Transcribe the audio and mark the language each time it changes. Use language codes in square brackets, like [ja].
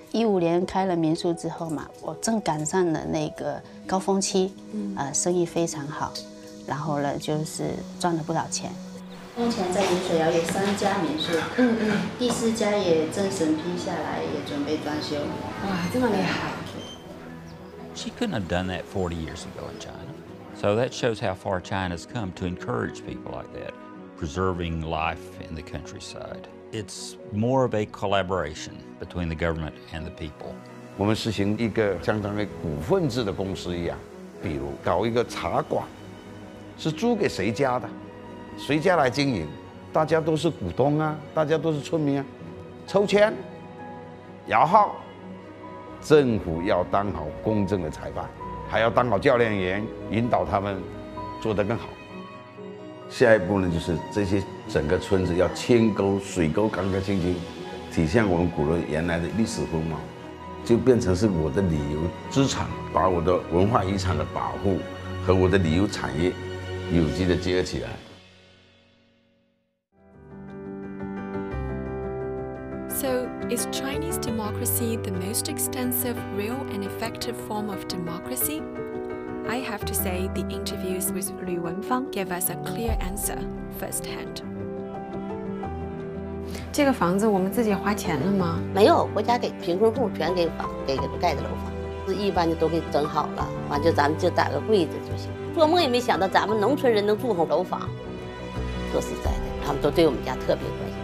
[zh] 2015年开了民宿之后嘛，我正赶上了那个高峰期，生意非常好，然后呢就是赚了不少钱。目前在银水窑有3家民宿，第4家也正审批下来，也准备装修。哇，这么厉害。 [en] She couldn't have done that 40 years ago in China. So that shows how far China's come to encourage people like that, preserving life in the countryside. It's more of a collaboration between the government and the people. We're [zh] 实行一个相当于股份制的公司一样，比如搞一个茶馆，是租给谁家的，谁家来经营，大家都是股东啊，大家都是村民啊，抽签，摇号。政府要当好公正的裁判，还要当好教练员，引导他们做得更好。下一步呢，就是这些整个村子要牵沟水沟干干净净，体现我们古罗原来的历史风貌，就变成是我的旅游资产，把我的文化遗产的保护和我的旅游产业有机的结合起来。 [en] Is Chinese democracy the most extensive, real and effective form of democracy? I have to say the interviews with Lü Wenfang gave us a clear answer firsthand. [zh] 这个房子我们自己花钱了吗？没有，国家给贫困户全给房，给盖的楼房，是一般的都给整好了，完就咱们就打个柜子就行。做梦也没想到咱们农村人能住上楼房。说实在的，他们都对我们家特别关心。